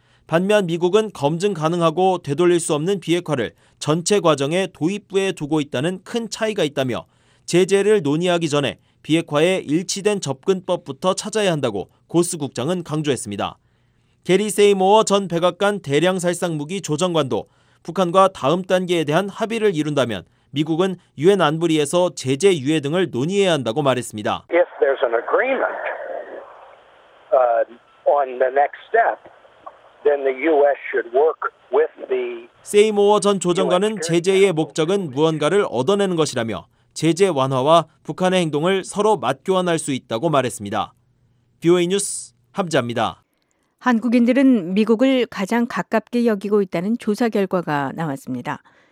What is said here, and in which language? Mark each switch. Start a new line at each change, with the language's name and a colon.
Korean: 반면 미국은 검증 가능하고 되돌릴 수 없는 비핵화를 전체 과정의 도입부에 두고 있다는 큰 차이가 있다며 제재를 논의하기 전에 비핵화에 일치된 접근법부터 찾아야 한다고 고스 국장은 강조했습니다. 게리 세이모어 전 백악관 대량살상무기 조정관도 북한과 다음 단계에 대한 합의를 이룬다면 미국은 유엔 안보리에서 제재 유예 등을 논의해야 한다고 말했습니다.
English: If there's an agreement on the next step, then the U.S. should work with the.
Korean: 세이모어 전 조정관은 제재의 목적은 무언가를 얻어내는 것이라며 제재 완화와 북한의 행동을 서로 맞교환할 수 있다고 말했습니다. VOA 뉴스 함지아입니다. 한국인들은 미국을 가장 가깝게 여기고 있다는 조사 결과가 나왔습니다.